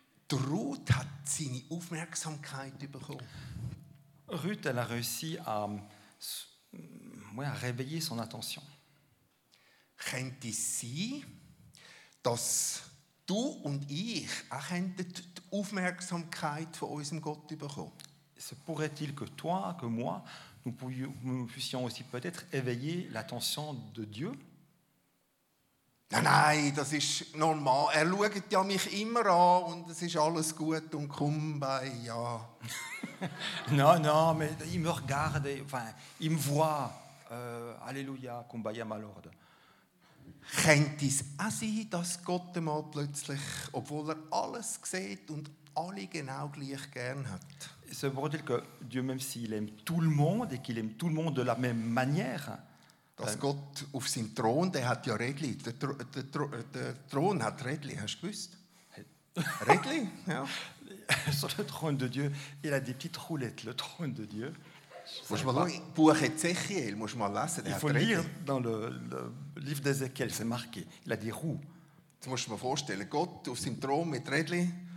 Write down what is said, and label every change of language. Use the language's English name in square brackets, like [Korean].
[German] Die Ruth hat seine Aufmerksamkeit bekommen. [French] Ruth, elle a réussi à, à réveiller son attention. [German] Könnte es sein, dass du und ich auch die Aufmerksamkeit von unserem Gott bekommen? [French] Se pourrait-il que toi, que moi, nous puissions aussi peut-être éveiller l'attention de Dieu? [German] Nein, das ist normal. Er schaut ja mich immer an und es ist alles gut und komm bei, ja. [French] Non, mais il me regarde, enfin, il me voit. [English] Alléluia, kumbaya, my Lord. [German] Könnte es auch sein, dass Gott mal plötzlich, obwohl er alles sieht und alle genau gleich gern hat? [French] Ça veut dire que Dieu, même s'il aime tout le monde et qu'il aime tout le monde de la même manière, [German] dass Gott auf seinem Thron, der hat ja Redli, der Thron hat Redli, hast du gewusst? Redli, ja. [French] Sur le trône de Dieu, il a des petites roulettes, le trône de Dieu. [German] Muss mal lesen, Buch Ezechiel, muss mal lesen, der [French] il faut lire dans le livre d'Ezekiel, c'est marqué, il a des roues. [German] Jetzt musst du mir vorstellen, Gott auf seinem Thron mit Redli.